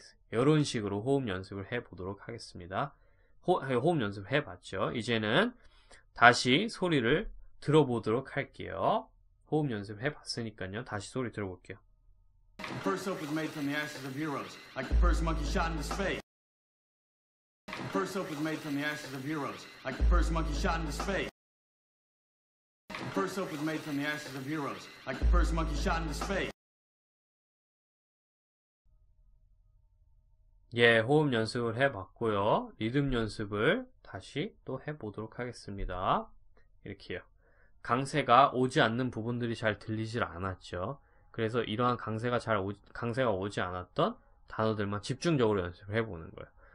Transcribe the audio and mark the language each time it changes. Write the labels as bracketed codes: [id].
[ko] 이런 식으로 호흡 연습을 해 보도록 하겠습니다. 호흡 연습을 해 봤죠. 이제는 다시 소리를 들어 보도록 할게요. 호흡 연습을 해 봤으니까요. 다시 소리 들어 볼게요. [en] First hope was made from the ashes of heroes, like the first monkey shot into space. First hope was made from the ashes of heroes, like the first monkey shot into space. First hope was made from the ashes of heroes, like the first monkey shot into space. [ko] 예, 호흡 연습을 해봤고요. 리듬 연습을 다시 또 해보도록 하겠습니다. 이렇게요. 강세가 오지 않는 부분들이 잘 들리질 않았죠. 그래서 이러한 강세가 오지 않았던 단어들만 집중적으로 연습을 해보는 거예요.